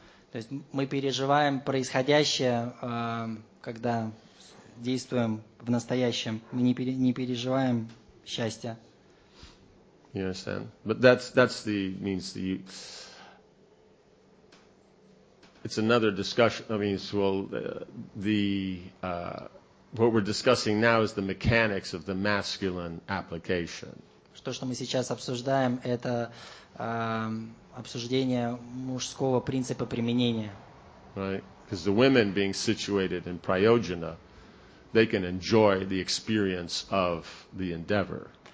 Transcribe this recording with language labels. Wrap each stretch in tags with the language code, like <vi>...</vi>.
<ru>То есть мы переживаем происходящее, когда действуем в настоящем. Мы не переживаем счастья.</ru> <en>You understand? But that's the means the it's another discussion. I mean, what we're discussing now is the mechanics of the masculine application.</en> <ru>Что мы сейчас обсуждаем, это обсуждение мужского принципа применения.</ru> <en>Right? Because the women being situated in prayojana, they can enjoy the experience of the endeavor.</en>